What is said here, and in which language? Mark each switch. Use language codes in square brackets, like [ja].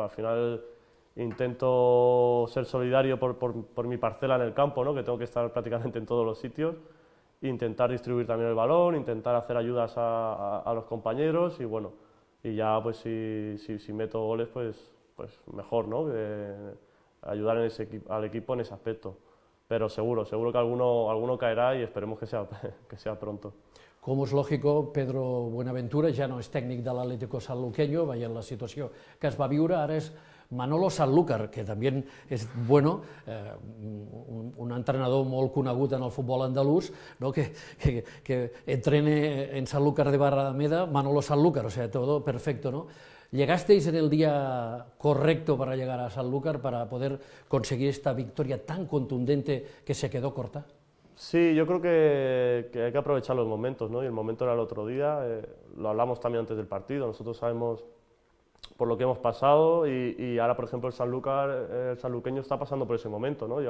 [es] Al final intento ser solidario por mi parcela en el campo, ¿no? Que tengo que estar prácticamente en todos los sitios, intentar distribuir también el balón, intentar hacer ayudas a los compañeros y bueno, y ya pues si meto goles, pues mejor, ¿no? Ayudar en ese, al equipo en ese aspecto. Pero seguro que alguno caerá y esperemos que sea pronto. Como es lógico, [ca] Pedro Buenaventura ja no és tècnic de l'Atlético Sanluqueño, veient la situació que es va viure. Ara és Manolo Sanlúcar, que també és bueno, un entrenador molt conegut en el futbol andalús, no? [es] Que entrene en Sanlúcar de Barrameda, Manolo Sanlúcar, o sea, todo perfecto, ¿no? ¿Llegasteis en el día correcto para llegar a Sanlúcar, para poder conseguir esta victoria tan contundente que se quedó corta? Sí, yo creo que hay que aprovechar los momentos, ¿no? Y el momento era el otro día, lo hablamos también antes del partido, nosotros sabemos por lo que hemos pasado y ahora, por ejemplo, el sanluqueño está pasando por ese momento, ¿no?